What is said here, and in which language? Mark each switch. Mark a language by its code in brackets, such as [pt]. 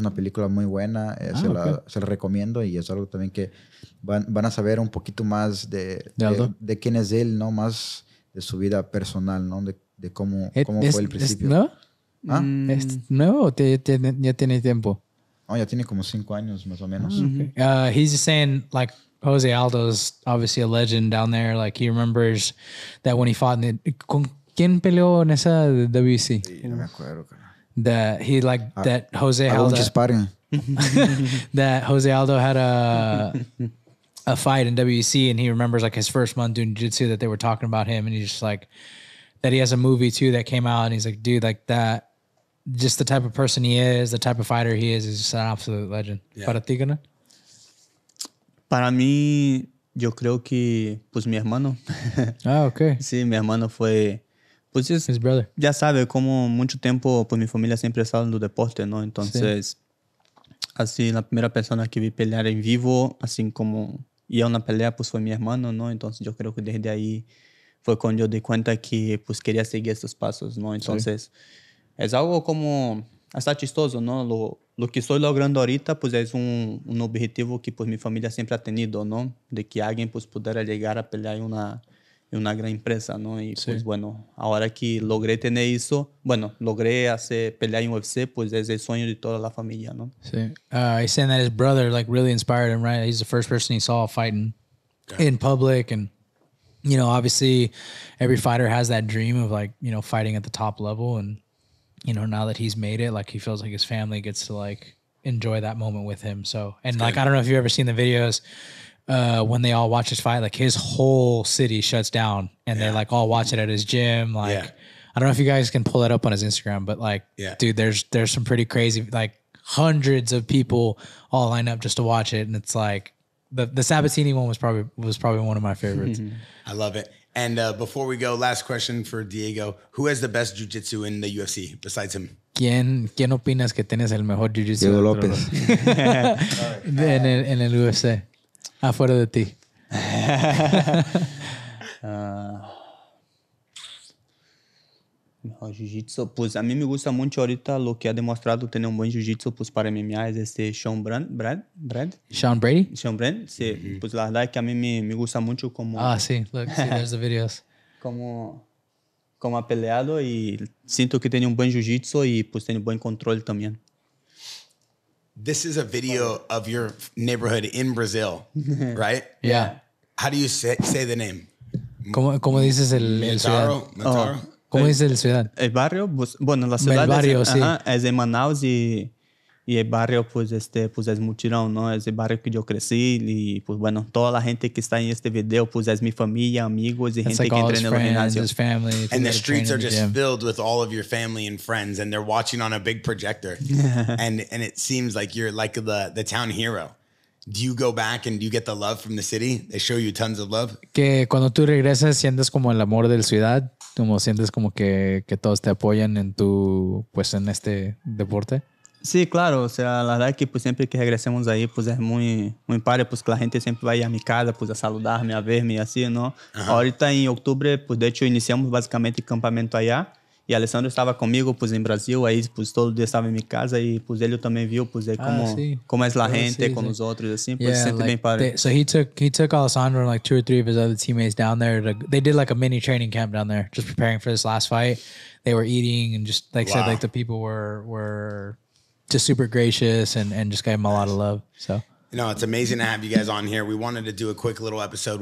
[es] Es una película muy buena. Se la recomiendo. Y es algo también que van a saber un poquito más de quién es él, ¿no? Más de su vida personal, ¿no? De cómo fue el principio. ¿No? ¿Ah? ¿Es nuevo o ya tiene tiempo? Oh, ya tiene como 5 años más o menos. [en] Mm-hmm. He's just saying, like, Jose Aldo's obviously a legend down there. Like, he remembers that when he fought in the... [es] ¿Con quién peleó en esa WC? Sí, no me acuerdo. [en] That Jose Aldo had a fight in WC, and he remembers, like, his first month doing jiu-jitsu, that they were talking about him, and he's just like... That he has a movie too that came out, and he's like, dude, like that, just the type of person he is, the type of fighter he is just an absolute legend. [es] Yeah. Para ti, Gunnar? Para mí, yo creo que, pues, mi hermano. [en] Ah, okay. [es] Sí, mi hermano fue, pues, es, [en] his brother. [es] Ya sabe, como mucho tiempo, pues, mi familia siempre ha estado en el deporte, ¿no? Entonces, sí, así, la primera persona que vi pelear en vivo, así como ir a una pelea, pues, fue mi hermano, ¿no? Entonces, yo creo que desde ahí, fue cuando yo di cuenta que, pues, quería seguir estos pasos, ¿no? Entonces, sí, es algo como... Está chistoso, ¿no? Lo que estoy logrando ahorita, pues, es un objetivo que, pues, mi familia siempre ha tenido, ¿no? De que alguien, pues, pudiera llegar a pelear en una gran empresa, ¿no? Y, sí, pues, bueno, ahora que logré tener eso... Bueno, logré hacer pelear en UFC, pues, es el sueño de toda la familia, ¿no? Sí. [en] He's saying that his brother, like, really inspired him, right? He's the first person he saw fighting in public and... You know, obviously, every fighter has that dream of, like, you know, fighting at the top level. And, you know, now that he's made it, like, he feels like his family gets to, like, enjoy that moment with him. So, and, like, I don't know if you've ever seen the videos when they all watch his fight. Like, his whole city shuts down and they, like, all watch it at his gym. Like, I don't know if you guys can pull that up on his Instagram. But, like, dude, there's some pretty crazy, like, hundreds of people all line up just to watch it. And it's like... The Sabatini one was probably one of my favorites. I love it. And before we go, last question for Diego. Who has the best jiu-jitsu in the UFC besides him? [es] ¿Quién opinas que tienes el mejor jiu-jitsu? Diego López. en el UFC. Afuera de ti. Mejor jiu-jitsu. Pues a mí me gusta mucho ahorita lo que ha demostrado tener un buen jiu-jitsu, pues, para MMA es este Sean Brady. Sí, mm-hmm. Pues la verdad es que a mí me gusta mucho como... [en] Ah, sí. Look, see, there's the videos. [es] Como ha peleado y siento que tiene un buen jiu-jitsu y pues tiene buen control también. [en] This is a video of your neighborhood in Brazil, right? Yeah. How do you say the name? [es] ¿Cómo dices el ciudad? Mentaro. ¿Cómo dice la ciudad? El barrio, pues, bueno, la ciudad es de Manaus y el barrio, pues, pues es Mutirão, ¿no? Es el barrio que yo crecí y, pues, bueno, toda la gente que está en este video, pues, es mi familia, amigos y gente, [en] like, [es] que entrena en el gimnasio. [en] Family, and the streets are just filled with all of your family and friends and they're watching on a big projector. and it seems like you're like the town hero. Do you go back and do you get the love from the city? They show you tons of love. [es] Que cuando tú regresas sientes como el amor de la ciudad, como sientes como que todos te apoyan en tu, pues, en este deporte. Sí, claro. O sea, la verdad es que, pues, siempre que regresemos ahí, pues, es muy, muy padre, pues, que la gente siempre va a ir a mi casa, pues, a saludarme, a verme y así, ¿no? Uh-huh. Ahorita en octubre, pues, de hecho, iniciamos básicamente campamento allá. Y Alessandro estaba conmigo, pues, en Brasil, ahí, pues, todo el día estaba en mi casa y, pues, él también vio, pues, de cómo es la gente con nosotros, así, pues, se siente, [en] like, [es] bien padre. [en] So he took Alessandro and, like, 2 or 3 of his other teammates down there. They did, like, a mini training camp down there, just preparing for this last fight. They were eating and just, like, said, like, the people were just super gracious and just gave him a lot of love, so. You know, it's amazing to have you guys on here. We wanted to do a quick little episode.